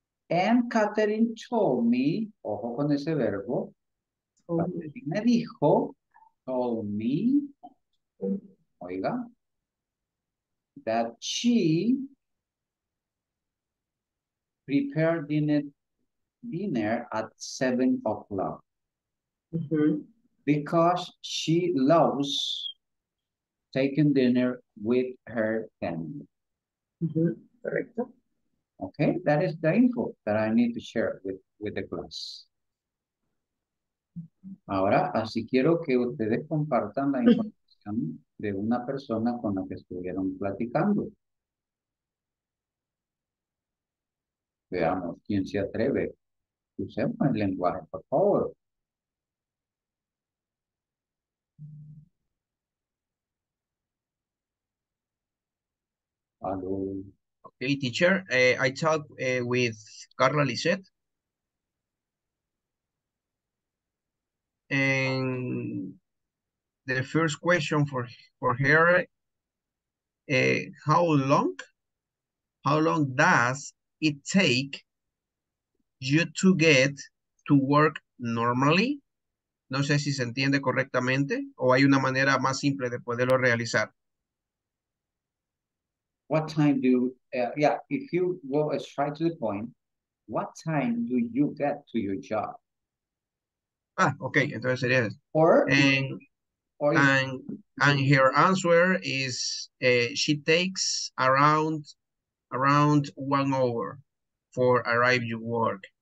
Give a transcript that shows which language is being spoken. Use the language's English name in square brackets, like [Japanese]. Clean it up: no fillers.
[English] And Catherine told me, [Spanish] ojo con ese verbo, me dijo, [English] told me, [Spanish] oiga, [English] that she prepared dinner at 7 o'clock. Mm-hmm. Because she loves taking dinner with her family. [Spanish] Mm-hmm. Correcto. [English] Okay, that is the info that I need to share with the class. [Spanish] Ahora, así quiero que ustedes compartan la información de una persona con la que estuvieron platicando. Veamos, ¿quién se atreve? Usemos el lenguaje, por favor. [English] Hello. Okay, teacher, I talked with Carla Lisette. And the first question for her, how long does it take you to get to work normally? [Spanish] No sé si se entiende correctamente o hay una manera más simple de poderlo realizar. [English] What time do, if you go straight to the point, what time do you get to your job? [Spanish] Ah, okay, entonces sería eso. [English] And her answer is, she takes around 1 hour for arrive to work.